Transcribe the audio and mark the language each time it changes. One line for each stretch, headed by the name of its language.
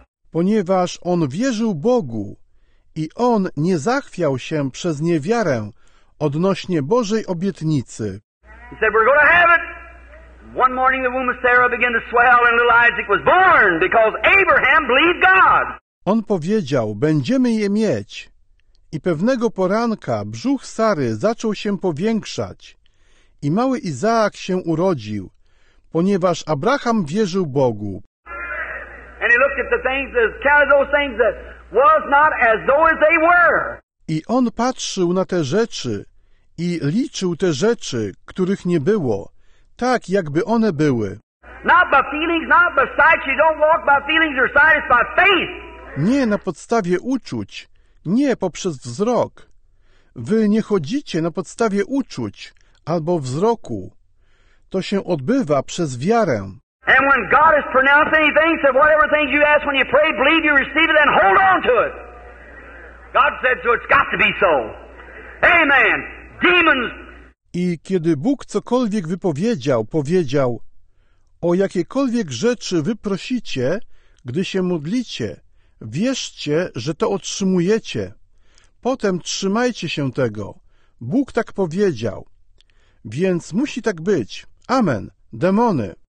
Polish: Ponieważ on wierzył Bogu i on nie zachwiał się przez niewiarę odnośnie Bożej obietnicy.
English: He said, we're going to have it. One morning the womb of Sarah began to swell and little Isaac was born because Abraham believed God.
Polish: On powiedział, będziemy je mieć. I pewnego poranka brzuch Sary zaczął się powiększać. I mały Izaak się urodził, ponieważ Abraham wierzył Bogu.
English: And he looked at the things, counted those things that was not as though as they were.
Polish: I on patrzył na te rzeczy i liczył te rzeczy, których nie było, tak jakby one były.
English: Not by feelings, not by sight. You don't walk by feelings or sight, it's by faith.
Polish: Nie na podstawie uczuć, nie poprzez wzrok. Wy nie chodzicie na podstawie uczuć albo wzroku. To się odbywa przez wiarę.
English: And when God has pronounced anything, said whatever things you ask when you pray, believe you receive it, then hold on to it. God said so, it's got to be so. Amen. Demons.
Polish: I kiedy Bóg cokolwiek wypowiedział, powiedział, o jakiekolwiek rzeczy wy prosicie, gdy się modlicie, wierzcie, że to otrzymujecie. Potem trzymajcie się tego. Bóg tak powiedział. Więc musi tak być. Amen. Demony.